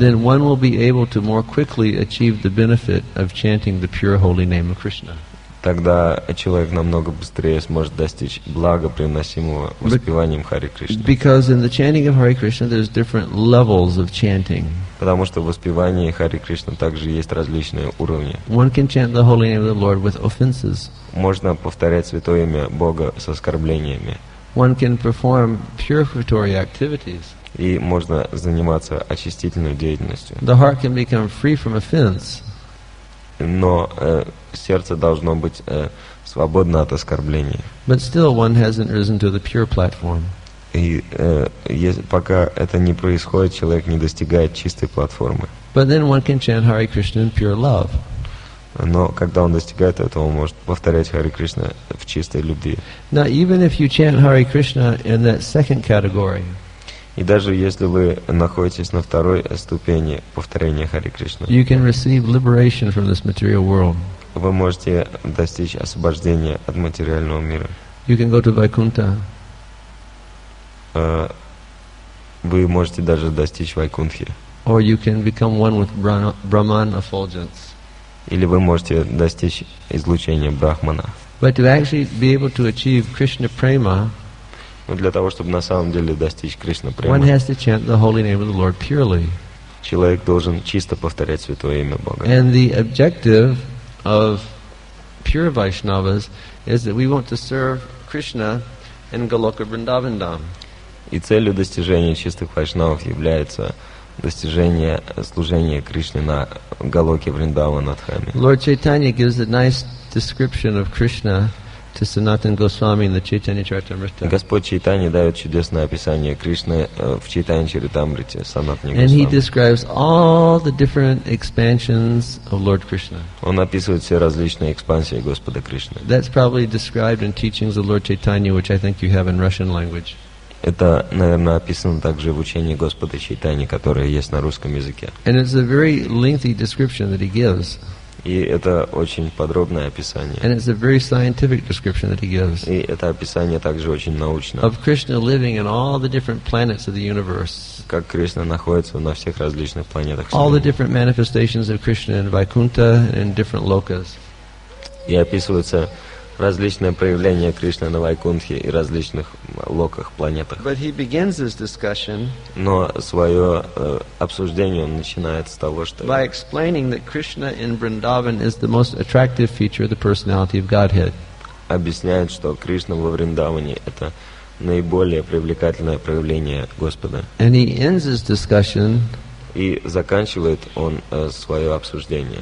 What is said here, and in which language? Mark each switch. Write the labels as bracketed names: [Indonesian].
[English] Then one will be able to more quickly achieve the benefit of chanting the pure holy name of Krishna. [Russian] Тогда человек намного быстрее сможет достичь блага, приносимого воспеванием Харе Кришны. [English] Because in the chanting of Hare Krishna there's different levels of chanting. [Russian] Потому что в воспевании Харе Кришны также есть различные уровни. [English] One can chant the holy name of the Lord with offenses. [Russian] Можно повторять святое имя Бога с оскорблениями. [English] One can perform purificatory activities. [Russian] И можно заниматься очистительной деятельностью. [English] The heart can become free from offense. [Russian] Но сердце должно быть свободно от оскорблений. [English] But still one hasn't risen to the pure platform. [Russian] И пока это не происходит, человек не достигает чистой платформы. [English] But then one can chant Hare Krishna in pure love. [Russian] Но когда он достигает этого, он может повторять Харе Кришна в чистой любви. [English] Now even if you chant Hare Krishna in that second category. [Russian] И даже если вы находитесь на второй ступени повторения Харе Кришны, [English] you can receive liberation from this material world. [Russian] Вы можете достичь освобождения от материального мира. [English] You can go to Vaikuntha. [Russian] Вы можете даже достичь Вайкунтхи. [English] Or you can become one with Brahman effulgence. [Russian] Или вы можете достичь излучения Брахмана. [English] But to actually be able to achieve Krishna prema. [Russian] Но для того, чтобы на самом деле достичь Кришна прямо, [English] one has to chant the holy name of the Lord purely. [Russian] Человек должен чисто повторять святое имя Бога. [English] And the objective of pure Vaishnavas is that we want to serve Krishna in Goloka Vrindavan Dham. [Russian] И целью достижения чистых вайшнавов является достижение служения Кришне на Голоке Вриндавана Дхаме. [English] Lord Chaitanya gives a nice description of Krishna to Sanatana Goswami in the Chaitanya Charitamrita. [Russian] Господь Чайтанья дает чудесное описание Кришны в Чайтанья Чаритамрите Санатане Госвами. [English] And he describes all the different expansions of Lord Krishna. [Russian] Он описывает все различные экспансии Господа Кришны. [English] That's probably described in teachings of Lord Chaitanya, which I think you have in Russian language. [Russian] Это, наверное, описано также в учении Господа Чайтанья, которое есть на русском языке. [English] And it's a very lengthy description that he gives. [Russian] И это очень подробное описание. [English] And it's a very scientific description that he gives. [Russian] И это описание также очень научное. [English] Of Krishna living in all the different planets of the universe. [Russian] Как Кришна находится на всех различных планетах. [English] All the different manifestations of Krishna in Vaikuntha and in different lokas. [Russian] И описывается различные проявления Кришны на Вайкунтхе и различных локах, планетах. [English] But he begins this discussion. [Russian] Но свое обсуждение он начинает с того, что [English] by explaining that Krishna in Vrindavan is the most attractive feature of the personality of Godhead. [Russian] Объясняет, что Кришна во Вриндаване это наиболее привлекательное проявление Господа. [English] And he ends his discussion. [Russian] И заканчивает он свое обсуждение.